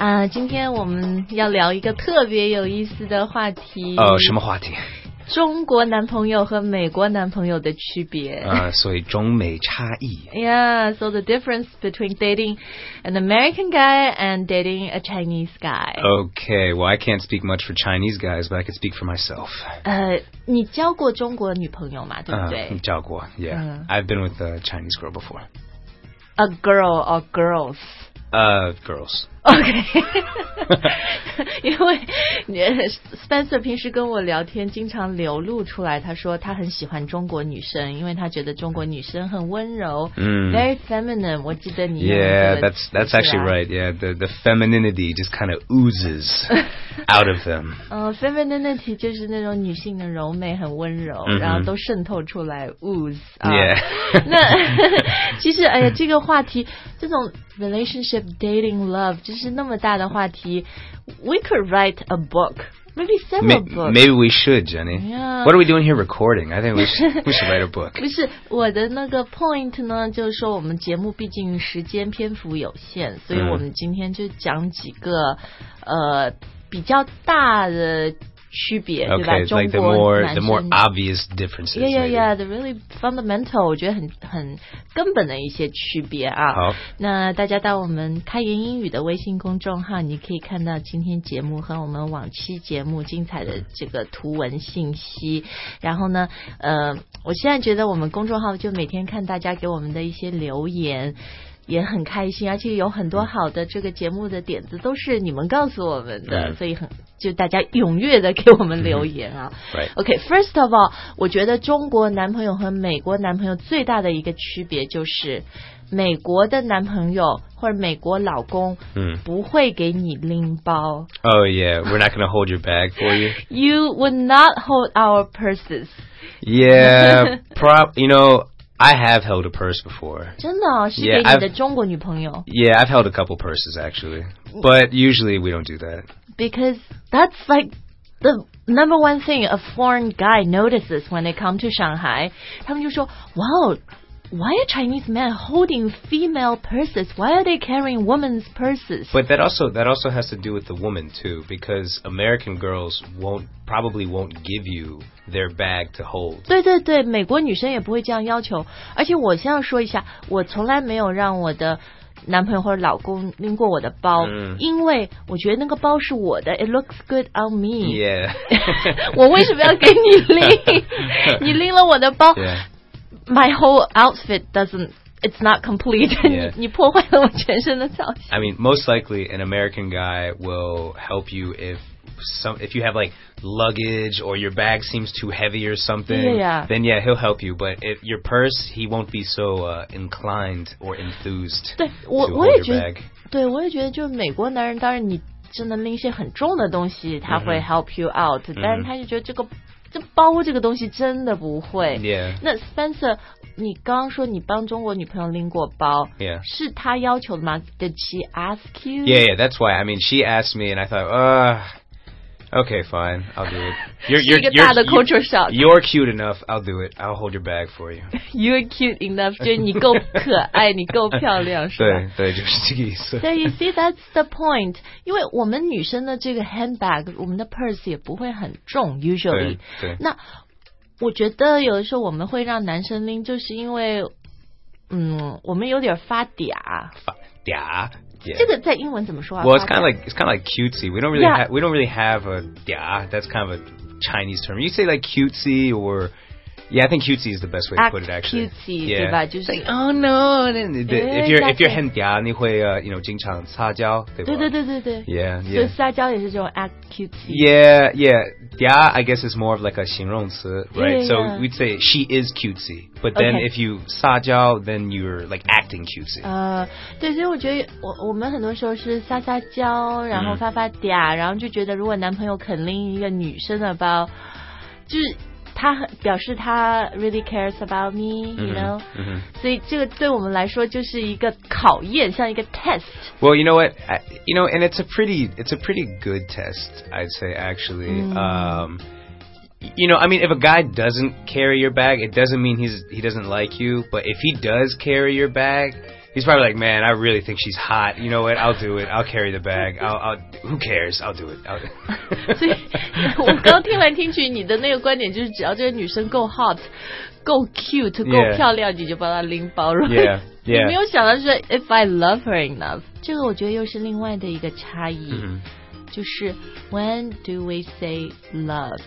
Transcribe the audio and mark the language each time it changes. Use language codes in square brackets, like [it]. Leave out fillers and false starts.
[zh] 今天我们要聊一个特别有意思的话题。什么话题？中国男朋友和美国男朋友的区别。所以中美差异。 [en] Yeah, so the difference between dating an American guy and dating a Chinese guy. Okay, well, I can't speak much for Chinese guys, but I can speak for myself. [zh] 你交过中国女朋友吗？对不对？交过 ， [en] Yeah. I've been with a Chinese girl before. A girl or girls? Girls. Okay. [zh] 因为 Spencer 平时跟我聊天经常流露出来，他说他很喜欢中国女生，因为他觉得中国女生很温柔。 [en] Very feminine. [zh] 我记得你。 [en] Yeah, that's actually right. Yeah, the femininity just kind of oozes out of them. [zh] Femininity 就是那种女性的柔美很温柔、mm-hmm. 然后都渗透出来 ooze.、 [en] Yeah. [zh] 那其实哎呀这个话题这种 [en] relationship, dating, love, [zh] 就是那么大的话题 [en] we could write a book, maybe several books. Maybe we should, Jenny.、 Yeah. What are we doing here recording? I think we should write a book. [zh] 不是，我的那个 point 呢，就是说我们节目毕竟时间篇幅有限，所以我们今天就讲几个、比较大的区别 [en] okay, [zh] 对吧 [en] like the more obvious differences. Yeah, yeah, yeah. The really fundamental, [zh] 我觉得很根本的一些区别啊。好，那大家到我们开言英语的微信公众号，你可以看到今天节目和我们往期节目精彩的这个图文信息。然后呢，我现在觉得我们公众号就每天看大家给我们的一些留言。也很开心，而且有很多好的这个节目的点子都是你们告诉我们的、所以很就大家踊跃的给我们留言啊、 [en] right. OK, first of all, [zh] 我觉得中国男朋友和美国男朋友最大的一个区别就是美国的男朋友或者美国老公不会给你拎包。 [en] Oh yeah, we're not going to hold your bag for you. You would not hold our purses. Yeah, you know,I have held a purse before. [zh] 真的、哦、是给你的中国女朋友 [en] Yeah, I've held a couple purses actually. But usually we don't do that. Because that's like the number one thing a foreign guy notices when they come to Shanghai. [zh] 他们就说 [en] wow, why are Chinese men holding female purses? Why are they carrying women's purses? But that also has to do with the woman too. Because American girls probably won't give you... their bag to hold. [zh] 对对对，美国女生也不会这样要求。而且我先要说一下，我从来没有让我的男朋友或者老公拎过我的包，因为我觉得那个包是我的。 [en] It looks good on me. Yeah. [zh] 我为什么要给你拎？你拎了我的包、 [en] yeah. ，my whole outfit doesn't. It's not complete. Yeah. [zh] 你破坏了我全身的造型。 [en] I mean, most likely, an American guy will help you if you have like luggage or your bag seems too heavy or something, yeah, yeah. then yeah, he'll help you. But if your purse, he won't be so inclined or enthused [zh] 对, 我, [en] to hold your bag. [zh] 对我也觉得就是美国男人当然你真的拎一些很重的东西他会 [en] help you out,、 mm-hmm. [zh] 但是他就觉得这个这包这个东西真的不会。 [en] Yeah. [zh] 那 Spencer, 你刚刚说你帮中国女朋友拎过包、 [en] yeah. [zh] 是他要求的吗 [en] Did she ask you? Yeah, yeah, that's why. I mean, she asked me and I thought, Okay, fine. I'll do it. You're [zh] 一个大的 [en] culture shock. You're cute enough. I'll do it. I'll hold your bag for you. You're cute enough. [zh] 就你够可爱，你够漂亮，是吧？对对，就是这个意思。 [en] So you see, that's the point. [zh] 因为我们女生的这个 handbag, 我们的 purse 也不会很重 ，usually. 对。对那我觉得有的时候我们会让男生拎，就是因为，我们有点发嗲。发嗲。 [en] Yeah. [zh] 这个在英文怎么说啊 [en] Well, it's kind of like cutesy. We don't really have a [zh] 嗲 [en] That's kind of a Chinese term. You say like cutesy or... Yeah, I think cutesy is the best way to put it, actually. Cutesy, yeah. [zh] 对吧就是 [en] like, oh no. If you're [zh] 很嗲你会、 [en] you know, [zh] 经常撒娇对吧对对对对对 [en] Yeah, yeah. [zh] 所以撒娇也是这种 [en] act cutesy. Yeah, yeah. [zh] 嗲 [en] I guess is more of like a [zh] 形容词 [en] right? Yeah, yeah. So we'd say she is cutesy. But then、 okay. if you [zh] 撒娇 [en] then you're like acting cutesy. [zh] 对所以我觉得我们很多时候是撒撒娇然后发发嗲、然后就觉得如果男朋友肯拎一个女生的包就是他表示他 [en] really cares about me, you know? Mm-hmm. Mm-hmm. [zh] 所以这个对我们来说就是一个考验，像一个 test. [en] Well, you know what? And it's a pretty good test, I'd say, actually. Mm-hmm. If a guy doesn't carry your bag, it doesn't mean he doesn't like you. But if he does carry your bag... He's probably like, man, I really think she's hot. You know what? I'll do it. I'll carry the bag. Who cares? I'll do it. [zh] 所以我刚听来听去你的那个观点就是只要这个女生够 hot, 够 cute, 够漂亮、 [en] yeah. [zh] 你就帮她拎包了。 [en] Right? Yeah. Yeah. [zh] 你没有想到是 [en] if I love her enough. [zh] 这个我觉得又是另外的一个差异。 [en] Mm-hmm. [zh] 就是 [en] when do we say love?